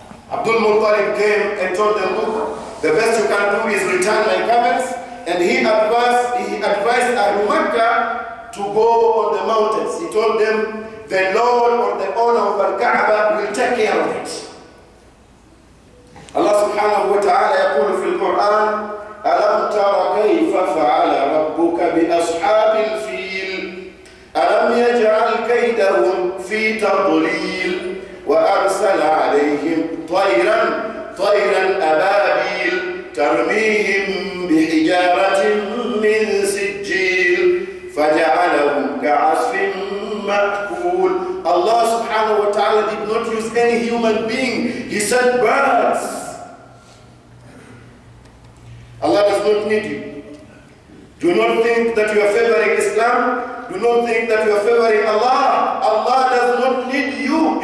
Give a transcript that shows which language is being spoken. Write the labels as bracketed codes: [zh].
[en] Abdul Muttalib came and told them, look, the best you can do is return my camels. And he advised Ahlul Makkah to go on the mountains. He told them, the Lord or the owner of Al-Kaaba will take care of it. [ar] Allah subhanahu wa ta'ala يقول في القرآن ألم تر كيف فعل ربك بأصحاب الفيل ألم يجعل كيدهم في تضليل وأرسل عليهم طيرا طيرا أبابيل ترميهم بحجارة من سجيل فجعلهم كعصف مأكول. [en] Allah subhanahu wa ta'ala did not use any human being. He said birds. Allah does not need you. Do not think that you are favoring Islam. Do not think that you are favoring Allah. Allah does not need you.